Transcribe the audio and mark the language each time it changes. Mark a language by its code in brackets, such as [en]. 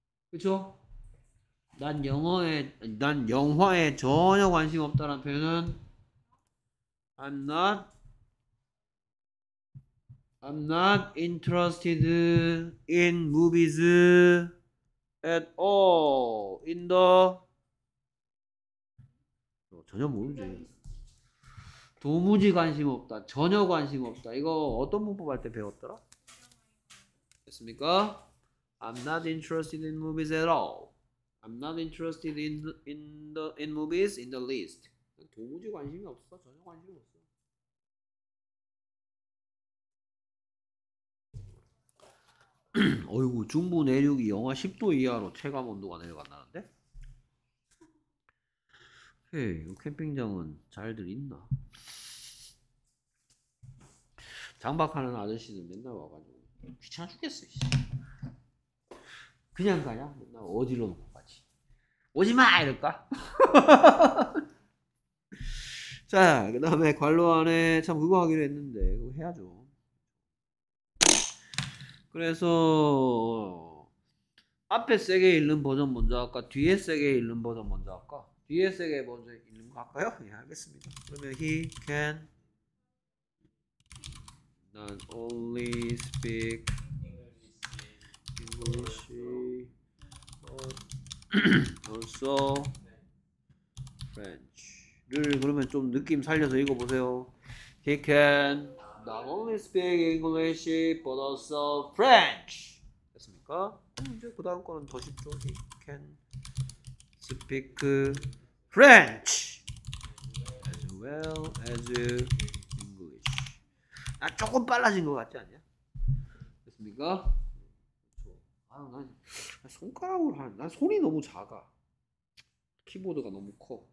[ko] 그렇죠? 난 영화에 전혀 관심 없다라는 표현은 [en] I'm not interested in movies at all. In the [ko] 전혀 모르지. 도무지 관심 없다. 전혀 관심 없다. 이거 어떤 문법 할 때 배웠더라? 됐습니까? [en] I'm not interested in movies at all. I'm not interested in movies in the least. [ko] 도무지 관심이 없어. 전혀 관심이 없어. 어이구, 중부 내륙이 영하 10도 이하로 체감 온도가 내려간다는데? 헤이, 이 캠핑장은 잘들 있나? 장박하는 아저씨는 맨날 와가지고 귀찮아 죽겠어. 씨. 그냥 가냐? 맨날 어디로 놓고 가지? 오지마! 이럴까? 자, 그 다음에 관로 안에 참 그거 하기로 했는데 그거 해야죠. 그래서 앞에 세게 읽는 버전 먼저 할까? 뒤에 세게 읽는 버전 먼저 할까? 뒤에 세게 먼저 읽는 거 할까요? 예, 알겠습니다. 그러면 [en] he can not only speak English but also French. [ko] 를 그러면 좀 느낌 살려서 읽어보세요. [en] He can not only speak English but also French. [ko] 됐습니까? 이제 그 다음 거는 더 쉽죠. [en] He can speak French as well as English. [ko] 아, 조금 빨라진 것 같지 않냐? 됐습니까? 아유, 난 손가락으로 하는, 난 손이 너무 작아. 키보드가 너무 커.